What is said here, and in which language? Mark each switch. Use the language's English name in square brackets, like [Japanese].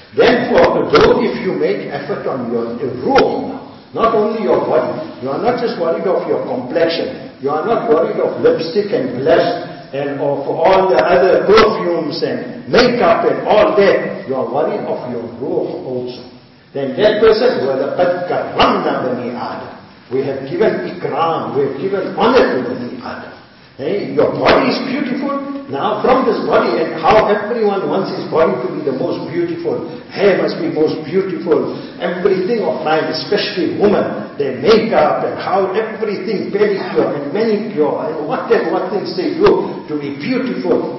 [English] Therefore, though if you make effort on your ruh now, not only your body, you are not just worried of your complexion, you are not worried of lipstick and blush, and of all the other perfumes and makeup and all that, you are worried of your ruh also. Then that person, [Arabic] وَلَقَدْ كَرَّمْنَا بَنِي آدَمْ. [English] We have given ikram, we have given honor to Bani Adam. Hey, your body is beautiful. Now from this body, and how everyone wants his body to be the most beautiful, hair must be most beautiful, everything of mine, especially woman, their makeup, and how everything, pedicure and manicure, and whatever, what things they do to be beautiful.